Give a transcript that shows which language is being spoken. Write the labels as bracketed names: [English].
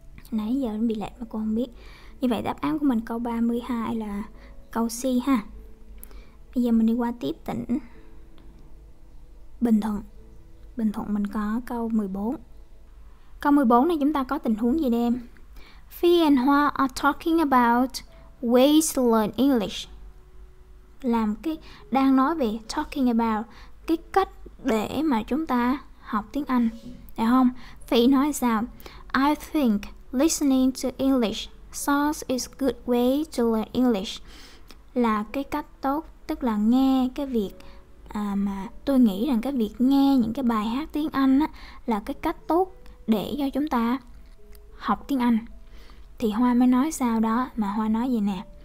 [Vietnamese] Nãy giờ nó bị lệ mà cô không biết. Như vậy đáp án của mình câu 32 là câu C ha. Bây giờ mình đi qua tiếp tỉnh Bình Thuận. Bình Thuận mình có câu 14. Câu 14 này chúng ta có tình huống gì đây em? [English] Phi and Hoa are talking about ways to learn English. [Vietnamese] Làm cái đang nói về [English] talking about [Vietnamese] cái cách để mà chúng ta học tiếng Anh, được không? Phi nói sao? [English] I think listening to English songs is good way to learn English. [Vietnamese] Là cái cách tốt, tức là nghe cái việc mà tôi nghĩ rằng cái việc nghe những cái bài hát tiếng Anh á, là cái cách tốt để cho chúng ta học tiếng Anh. Thì Hoa mới nói sao đó, mà Hoa nói gì nè.